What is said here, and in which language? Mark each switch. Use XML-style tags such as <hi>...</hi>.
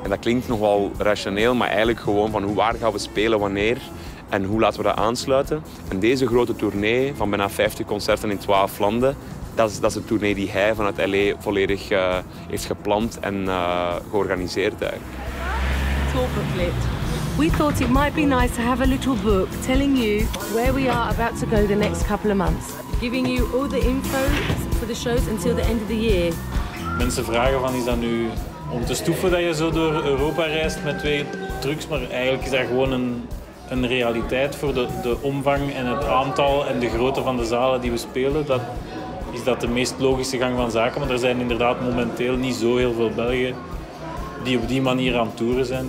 <nl>En dat klinkt nogal rationeel, maar eigenlijk gewoon van waar gaan we spelen, wanneer en hoe laten we dat aansluiten. En deze grote tournee van bijna 50 concerten in 12 landen, dat is de tournee die hij vanuit LA volledig heeft gepland en georganiseerd. Topgekleed.</nl> <en>We thought it might be nice to have a little book telling you where we are about to go the next couple of months. Giving you all the info for the shows until the end of the year.</en> <nl>Mensen vragen van is dat nu om te stoeven dat je zo door Europa reist met twee trucks, maar eigenlijk is dat gewoon een realiteit voor de omvang en het aantal en de grootte van de zalen die we spelen. Dat is dat de meest logische gang van zaken, maar er zijn inderdaad momenteel niet zo heel veel Belgen die op die manier aan het toeren zijn.</nl>